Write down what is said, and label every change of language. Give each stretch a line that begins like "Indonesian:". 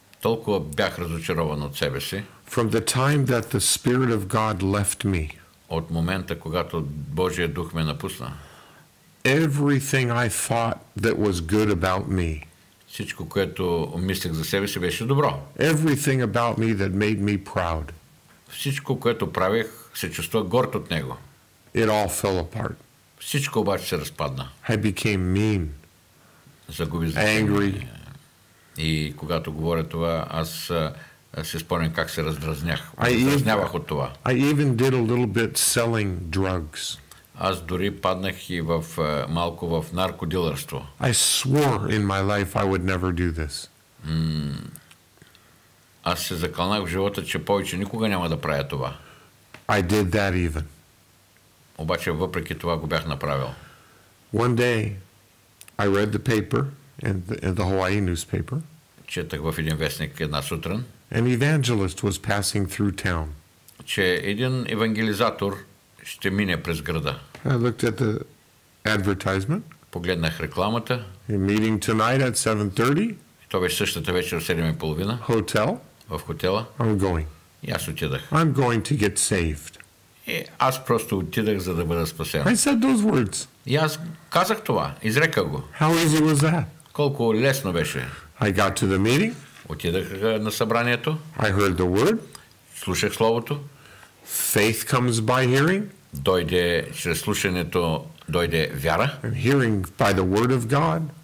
Bulgarian: Толкова бях разочарован от себе си.
English: From the time that the Spirit of God left me.
Bulgarian: От момента, когато Божия дух ме напусна.
English: Everything I thought that was good about me.
Bulgarian: Всичко, което мислех за себе си, беше добро.
English: Everything about me that made me proud.
Bulgarian: Всичко, което правех, се чувствах горд от него.
English: It all fell apart.
Bulgarian: Всичко обаче се разпадна.
English: I became mean.
Bulgarian: Загуби значение.
English: Angry.
Bulgarian: И когато говоря това, аз се спомням как се раздразнях. Раздразнявах от това.
English: I even did a little bit selling drugs.
Bulgarian: Аз дори паднах и в малко в наркодилърство.
English: I swore in my life I would never do this.
Bulgarian: Аз се закълнах в живота, че повече никога няма да правя това.
English: I did that even.
Bulgarian: Обаче въпреки това го бях направил.
English: One day I read the paper in the Hawaii newspaper.
Bulgarian: Четах в един вестник една сутрин.
English: An evangelist was passing through town.
Bulgarian: Че един евангелизатор ще мине през града.
English: I looked at the advertisement.
Bulgarian: Погледнах рекламата.
English: A meeting tonight at 7:30.
Bulgarian: То беше същата вечер в 7:30.
English: Hotel.
Bulgarian: В хотела.
English: I'm going.
Bulgarian: И аз отидах.
English: I'm going to get saved.
Bulgarian: И аз просто отидах, за да бъда спасен.
English: I said those words.
Bulgarian: И аз казах това, изреках го.
English: How easy was that?
Bulgarian: Колко лесно беше.
English: I got to the meeting.
Bulgarian: Отидах на събранието.
English: I heard the word.
Bulgarian: Слушах словото.
English: Faith comes by hearing.
Bulgarian: Дойде чрез слушането, дойде вяра.
English: And hearing by the word of God.